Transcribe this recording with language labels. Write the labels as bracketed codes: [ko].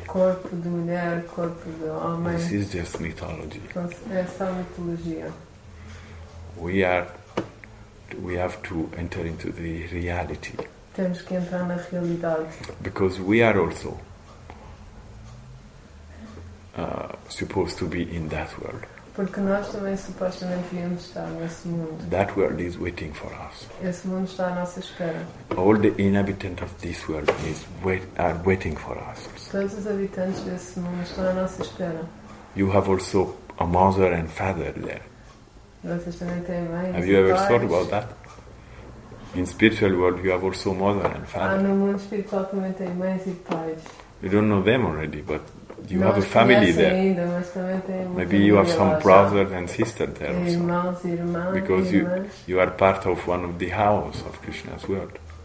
[pt] Corpo de mulher, corpo de homem. [en] This is just mythology. [pt] É só mitologia. [en] We have to enter into the reality. [pt] Temos que entrar na realidade. [en] Because we are also supposed to be in that world. [pt] Porque nós também supostamente viemos estar nesse mundo. [en] That world is waiting for us. [pt] Esse mundo está à nossa espera. [en] All the inhabitants of this world are waiting for us. [pt] Todos os habitantes desse mundo estão à nossa espera. [en] You have also a mother and father there. [pt] Vocês também têm mãe. [en] Have you ever thought about that? In spiritual world, you have also mother and father. [pt] No mundo espiritual também tem mães e pais. [en] You don't know them already, but you [pt] não [en] have a family there. [pt] Ainda, [en] maybe you have some brothers and sisters there also. [pt] Irmãos, irmãs, [en] because [pt] irmãs. [en] You are part of one of the houses of Krishna's world.